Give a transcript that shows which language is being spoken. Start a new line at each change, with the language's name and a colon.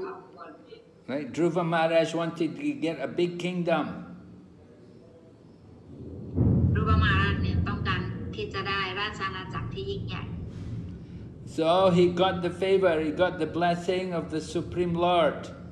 English: ว Right, Dhruva Maharaj wanted to get a big kingdom.
Thai: Dhruva Maharaj เนี่ยต้องการที่จะได้ราชอาณาจักรที่ยิ่งใหญ่
English: So he got the favor, he got the blessing of the Supreme Lord.